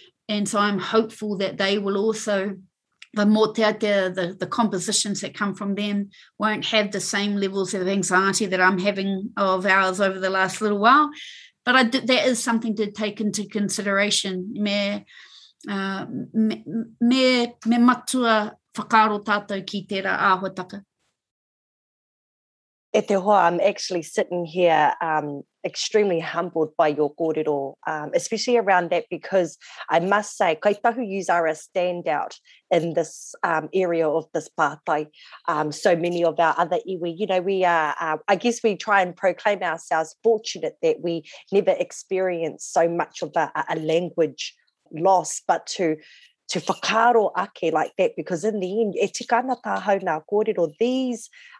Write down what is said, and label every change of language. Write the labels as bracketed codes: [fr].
[en] And so I'm hopeful that they will also, the motetea, the compositions that come from them won't have the same levels of anxiety that I'm having of ours over the last little while. But that is something to take into consideration. [mi] Me matua whakaro tātou ki tērā āhuataka. E te hoa, [en] I'm actually sitting here extremely humbled by your kōrero, especially around that, because I must say, kaitahu yous are a standout in this area of this pātai. So many of our other iwi, you know, we are, I guess we try and proclaim ourselves fortunate that we never experience so much of a language loss, but to [mi] whakaro ake [en] like that, because in the end, [mi] e tika ana tāhau nā kōrero, [en] these